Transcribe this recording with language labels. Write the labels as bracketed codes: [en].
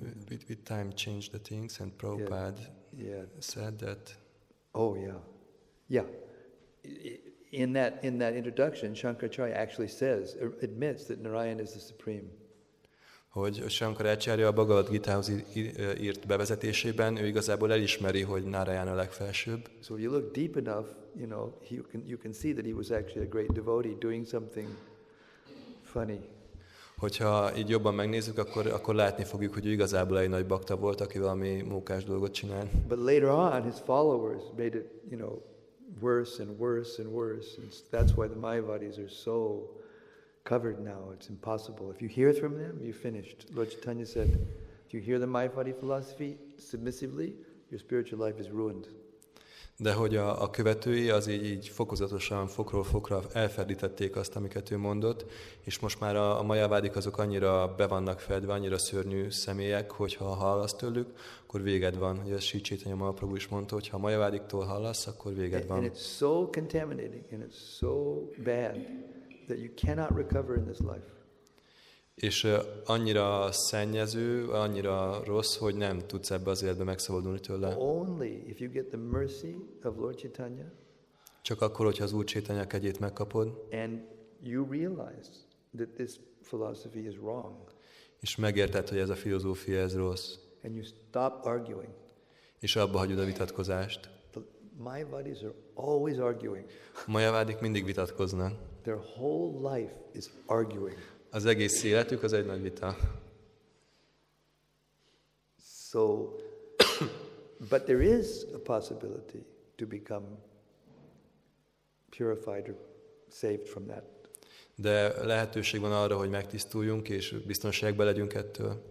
[en] With time changed the things, and Prabhupada said that. Oh yeah, yeah. In that introduction, Shankaracharya actually says, admits that Narayana is the supreme. [hu] Hogy Shankaracharya a Bhagavad Gita-hoz írt bevezetésében, ő igazából elismeri, hogy Narayana a legfelsőbb. [en] So if you look deep enough, you know, you can see that he was actually a great devotee doing something funny. [hu] Hogyha így jobban megnézzük, akkor látni fogjuk, hogy ő igazából egy nagy bakta volt, aki valami mókás dolgot csinál. [en] But later on, his followers made it, you know, worse and worse and worse, and that's why the Mayavadis are so covered now. It's impossible. If you hear from them, you're finished. Lord Chaitanya said, if you hear the Mayavadi philosophy submissively, your spiritual life is ruined. [hu] De hogy a követői, az így fokozatosan, fokról fokra elferdítették azt, amiket ő mondott, és most már a majavádik azok annyira be vannak fedve, annyira szörnyű személyek, hogyha hallasz tőlük, akkor véged van. Ugye ezt Sri Chaitanya Mahaprabhu is mondta, hogyha a majavádiktól hallasz, akkor véged van. [en] And it's so contaminating, and it's so bad, that you cannot recover in this life. [hu] És annyira szennyező, annyira rossz, hogy nem tudsz ebbe az életbe megszabadulni tőle. [en] Only if you get the mercy of Lord Chaitanya. [hu] Csak akkor, hogyha az Úr Chaitanya kegyét megkapod. [en] And you realize that this philosophy is wrong. [hu] És megérted, hogy ez a filozófia ez rossz. [en] And you stop arguing. [hu] És abba hagyod a vitatkozást. [en] The Mayavadis are always arguing. [hu] A Mayavadik mindig vitatkoznak. [en] Their whole life is arguing. [hu] Az egész életük az egy nagy vita. [en] So But there is a possibility to become purified or saved from that. [hu] De lehetőség van arra, hogy megtisztuljunk és biztonságban legyünk ettől.